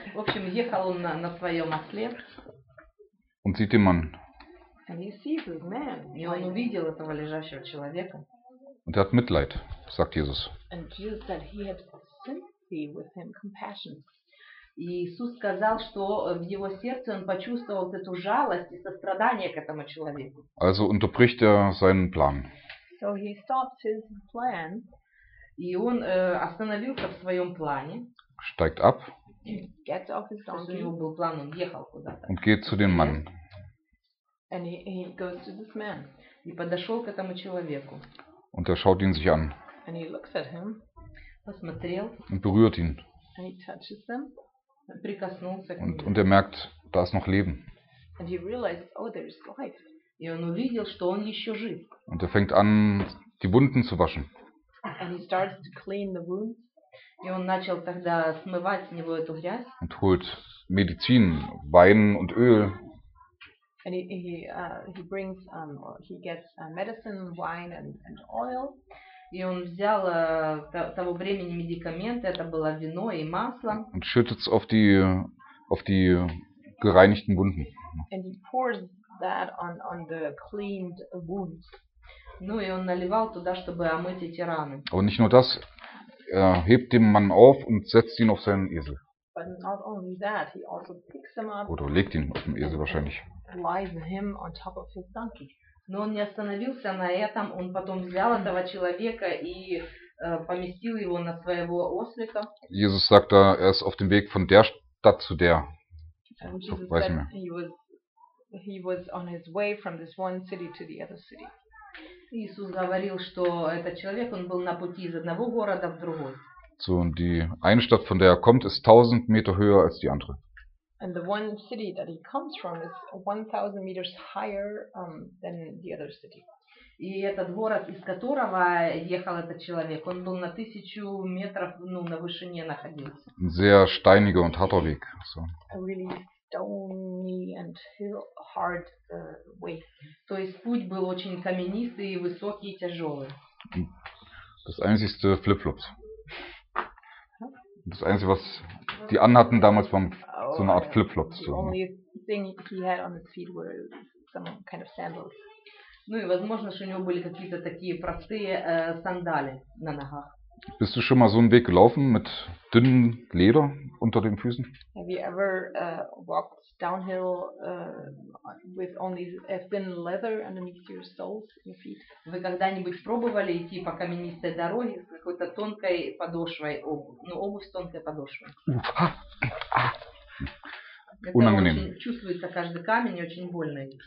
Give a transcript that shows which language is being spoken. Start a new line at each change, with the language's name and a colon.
Russian: В общем, ехал он на своем осле.
German: Und sieht den Mann.
English: And he sees this man.
Russian: И он увидел этого лежащего человека.
German: Und hat Mitleid, sagt Jesus.
English: And Jesus said he had sympathy with him, compassion.
Russian: Иисус сказал, что в его сердце он почувствовал эту жалость и сострадание к этому человеку.
German: Also unterbricht seinen Plan.
English: So he stopped his plan.
Russian: И он остановился в своем плане.
German: Steigt ab.
English: Gets off his donkey.
Russian: У него был план, он ехал куда-то.
German: Und geht zu dem Mann.
English: And he goes to this man.
Russian: И подошел к этому человеку.
German: Und schaut ihn sich an.
English: And he looks at him.
Russian: Посмотрел.
German: Und berührt ihn.
English: And he touches him.
Russian: Прикоснулся к нему.
German: Und merkt, da ist noch Leben.
English: And he realized, oh, there is life.
Russian: И он увидел, что он еще жив.
German: Und fängt an, die Wunden zu waschen.
English: And he starts to clean the wounds.
Russian: И он начал тогда смывать с него эту грязь.
German: Und holt Medizin, Wein und Öl.
English: And he brings or he gets medicine, wine and oil.
Russian: И он взял того времени медикаменты, это было вино и масло.
German: Und schüttet's auf die gereinigten Wunden.
English: And he pours that on the cleaned wounds.
Russian: Ну и он наливал туда, чтобы омыть эти раны.
German: Aber nicht nur das, hebt den Mann auf und setzt ihn auf seinen Esel.
English: But not only that, he also picks him up.
German: Oder legt ihn auf dem Esel wahrscheinlich.
English: Lies him on top of his donkey.
Russian: Но он не остановился на этом, он потом взял этого человека и поместил его на своего ослика.
German: Jesus sagt, er ist auf dem Weg von der Stadt zu der.
English: Jesus said he was on his way from this one city to the other city.
Russian: Иисус говорил, что этот человек, он был на пути из одного города в другой.
German: So, und die eine Stadt, von der er kommt, ist 1000 Meter höher als die andere.
English: And the one city that he comes from is 1000 meters higher than the other city.
Russian: И этот город, из которого ехал этот человек, он был на 1000 метров, ну, на вышине находился.
German: Sehr steiniger und harter Weg. So.
English: A really stony and hard way.
Russian: То есть путь был очень каменистый и высокий и тяжелый.
German: Das einzigste Flip-Flops. Das einzige, was die anhatten damals, waren so eine Art Flip-Flops.
English: The only thing he had on his feet were some kind of sandals.
Russian: Ну и возможно, что у него были какие-то такие простые сандали на ногах.
German: Bist du schon mal so einen Weg gelaufen mit dünnem Leder unter den Füßen?
English: Have you ever walked downhill with only a thin leather underneath your soles, your feet?
Russian: Вы когда-нибудь пробовали идти по каменистой дороге с какой-то тонкой подошвой обуви? Ну, обувь с тонкой подошвой. Это Unangenehm. Очень чувствуется каждый камень, очень больно.